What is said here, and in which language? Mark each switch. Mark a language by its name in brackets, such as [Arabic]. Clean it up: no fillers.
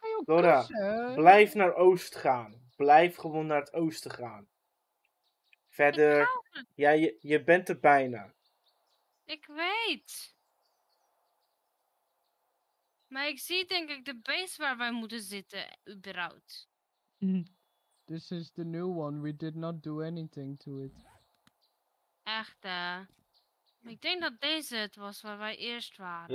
[Dutch] Dora, blijf naar oost gaan. Blijf gewoon naar het oosten gaan. Verder. Ja, je bent er bijna. Ik weet. Maar ik zie denk ik de base waar wij moeten zitten, überhaupt. [English] This is the new one, we did not do anything to it. [Dutch] Echt, hè? Ik denk dat deze het was waar wij eerst waren.